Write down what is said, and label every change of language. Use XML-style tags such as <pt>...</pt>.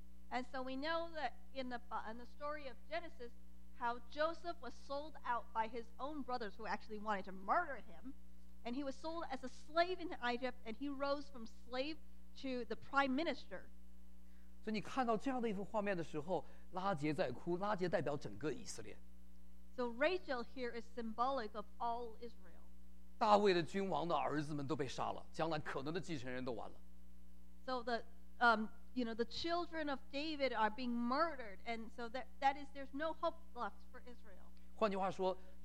<en>And so we know that in the story of Genesis, how Joseph was sold out by his own brothers, who actually wanted to murder him, and he was sold as a slave into Egypt, and he rose from slave to the prime minister.</en> <zh>所以你看到这样的一幅画面的时候，拉结在哭，拉结代表整个以色列。So</zh> <en>Rachel here is symbolic of all Israel.</en> <zh>大卫的君王的儿子们都被杀了，将来可能的继承人都完了。So</zh> <en>the the children of David are being murdered, and so that is there's no hope left for Israel.</en>